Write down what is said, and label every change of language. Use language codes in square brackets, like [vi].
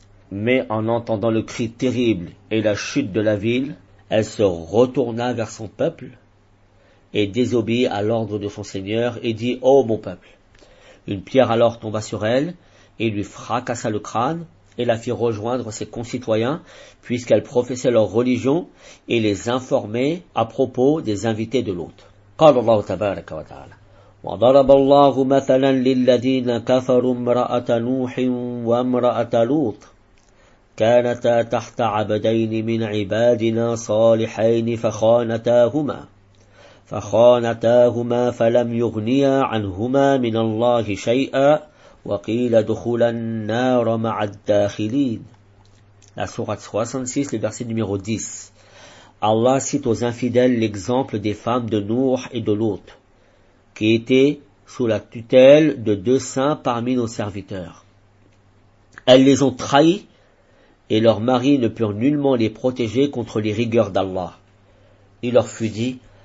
[fr] Mais en entendant le cri terrible et la chute de la ville, elle se retourna vers son peuple et désobéit à l'ordre de son Seigneur et dit « Oh mon peuple !» Une pierre alors tomba sur elle et lui fracassa le crâne et la fit rejoindre ses concitoyens puisqu'elle professait leur religion et les informait à propos des invités de l'hôte. [ar] قال الله تبارك وتعالى وضرب الله مثلا للذين كفروا امرأة نوح وامرأة لوط كانتا تحت عبدين من عبادنا صالحين فخانتاهما فلم يغنيا عنهما من الله شيئا وقيل دخول النار مع الداخلين. [fr] La sourate 66, le verset numéro 10. Allah cite aux infidèles l'exemple des femmes de Nour et de Lot, qui étaient sous la tutelle de deux saints parmi nos serviteurs. Elles les ont trahis et leurs maris ne purent nullement les protéger contre les rigueurs d'Allah. Il leur fut dit,